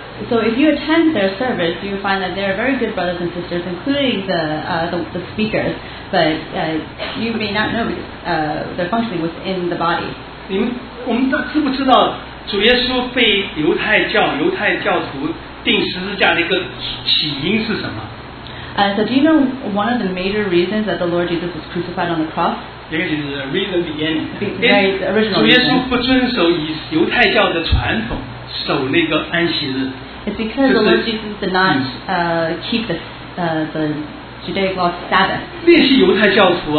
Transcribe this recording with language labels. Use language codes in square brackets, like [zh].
[en] So if you attend their service, you find that they are very good brothers and sisters, including the speakers, but you may not know they're functioning within the body. [zh] 犹太教徒钉十字架的一个起因是什么？ [en] So do you know one of the major reasons that the Lord Jesus was crucified on the cross? It's because the Lord Jesus did not keep the Judaic law Sabbath.